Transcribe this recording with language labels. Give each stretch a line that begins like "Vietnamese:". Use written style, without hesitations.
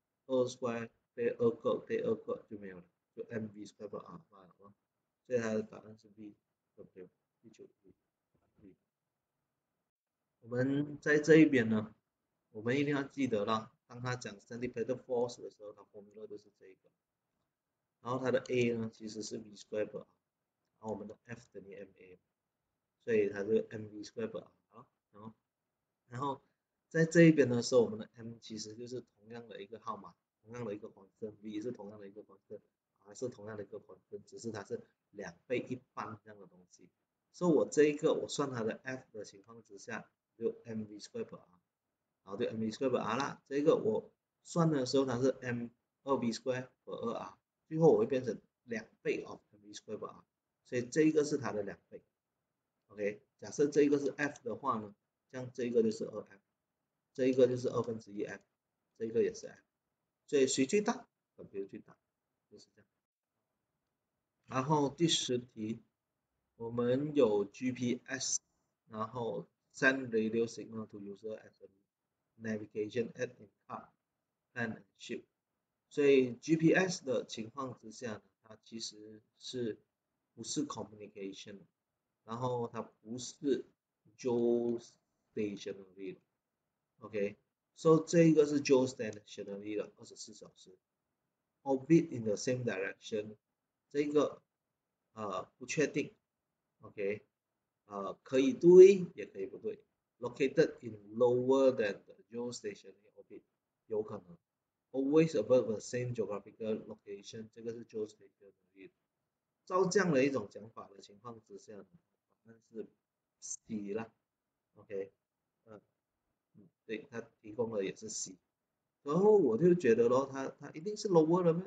Chinese: 二 square 被二个，被二个就没有了，就 mv square per r 罢了。所以它的答案是 b，对不对？第九题我们在这一边呢，我们一定要记得啦。当他讲 centripetal force 的时候，他 formula 就是这一个。然后它的 a 呢，其实是 v square per r，然后我们的 f 等于 ma，所以它是 mv square per r 啊。然后在这一边的时候，我们的 m 其实就是同样的一个号码。同样的一个方程，v 是同样的一个方程，r 是同样的一个方程，只是它是两倍一半这样的东西。所以我这一个我算它的 f 的情况之下，就 mv square per r，然后就 mv square per r 啦。这个我算的时候它是 m2v square per 2r，最后我会变成两倍 of mv square per r，所以这一个是它的两倍。 OK，假设这一个是 f 的话呢，像这一个就是 2f，这一个就是二分之一 f，这一个也是 f。所以谁最大，w 最大，就是这样。然后第十题，我们有 GPS，然后
English: send radio signal to user as navigation aid in car and ship。
Chinese: 所以 GPS 的情况之下呢，它其实是不是 communication，然后它不是 geostationary 的，OK。 So 这一个是 geostationary 的24小时，
English: orbit in the same direction，
Chinese: 这个不确定，OK，可以对也可以不对，
English: located in lower than the geostationary orbit，
Chinese: 有可能。
English: Always above the same geographical location，
Chinese: 这个是 geostationary 照这样的一种讲法的情况之下呢，答案是 C 啦。对，他提供的也是 C。然后我就觉得咯，他一定是 lower 了吗？